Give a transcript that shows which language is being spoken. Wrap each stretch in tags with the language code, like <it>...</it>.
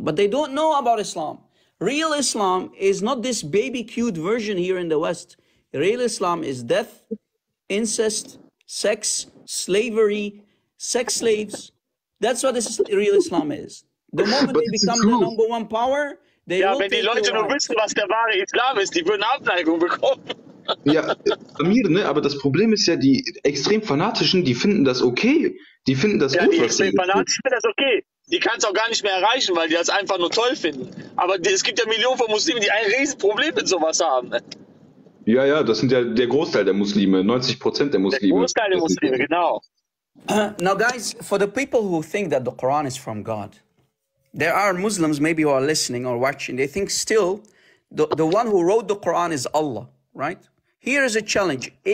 <en>But they don't know about Islam. Real Islam is not this baby-cute version here in the West. Real Islam is death, incest, sex, slavery, sex slaves. That's what real Islam is. The moment they become the number one power, they will take your life.</en> <de>Ja, wenn die Leute nur wissen, was der wahre Islam ist, die würden Abneigung bekommen. Ja, Amir, ne? Aber das Problem ist ja, die extrem Fanatischen, die finden das okay. Die finden das gut. Ja, die extrem Fanatischen finden das okay. Die kannst du auch gar nicht mehr erreichen, weil die das einfach nur toll finden. Aber es gibt ja Millionen von Muslimen, die ein Riesenproblem mit sowas haben. Ja, ja, das sind ja der Großteil der Muslime, 90% der Muslime. Der Großteil der Muslime, genau.</de> <en>Now guys, for the people who think that the Quran is from God, there are Muslims maybe who are listening or watching, they think still the one who wrote the Quran is Allah, right? Here is a challenge.</en>